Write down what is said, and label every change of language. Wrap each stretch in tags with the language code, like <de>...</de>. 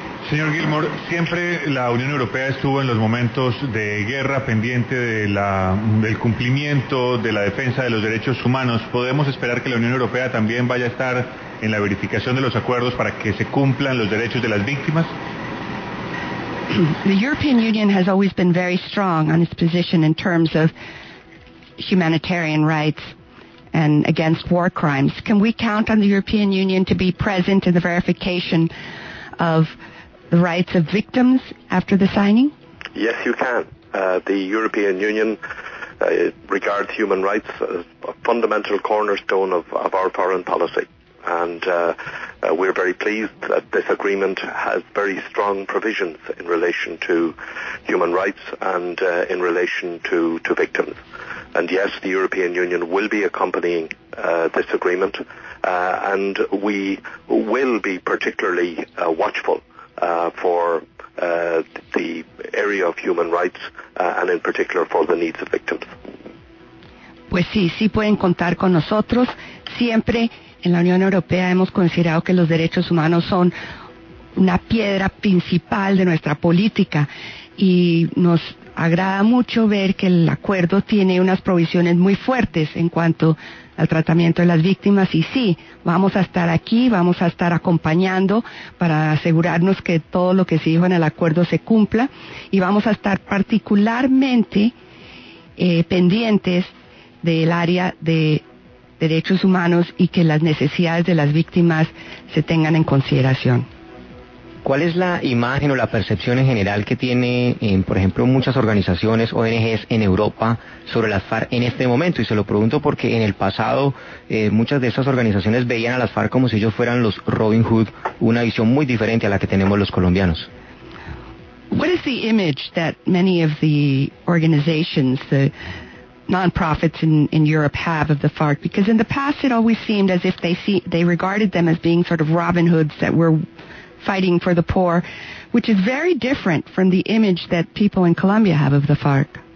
<es>Señor Gilmore, siempre la Unión Europea estuvo en los momentos de guerra pendiente del cumplimiento de la defensa de los derechos humanos. ¿Podemos esperar que la Unión Europea también vaya a estar en la verificación de los acuerdos para que se cumplan los derechos de las víctimas?</es> <en>The European Union has always been very strong on its position in terms of humanitarian rights and against war crimes. Can we count on the European Union to be present in the verification of the rights of victims after the signing? Yes, you can. The European Union regards human rights as a fundamental cornerstone of our foreign policy. and we're very pleased that this agreement has very strong provisions in relation to human rights and in relation to victims. And yes, the European Union will be accompanying this agreement, and we will be particularly watchful for the area of human rights, and in particular for the needs of victims.</en> <es>Pues sí, sí pueden contar con nosotros. Siempre en la Unión Europea hemos considerado que los derechos humanos son una piedra principal de nuestra política, y nos agrada mucho ver que el acuerdo tiene unas provisiones muy fuertes en cuanto al tratamiento de las víctimas, y sí, vamos a estar aquí, vamos a estar acompañando para asegurarnos que todo lo que se dijo en el acuerdo se cumpla, y vamos a estar particularmente pendientes del área de derechos humanos y que las necesidades de las víctimas se tengan en consideración. ¿Cuál es la imagen o la percepción en general que tiene, por ejemplo, muchas organizaciones, ONGs en Europa sobre las FARC en este momento? Y se lo pregunto porque en el pasado muchas de esas organizaciones veían a las FARC como si ellos fueran los Robin Hood, una visión muy diferente a la que tenemos los colombianos.</es> <en>What is the image that many of the organizations, the non-profits in Europe have of the FARC? Because in the past it always seemed as if they regarded them as being sort of Robin Hoods that were fighting for the poor, which is very different from the image that people in Colombia have of the FARC.</en>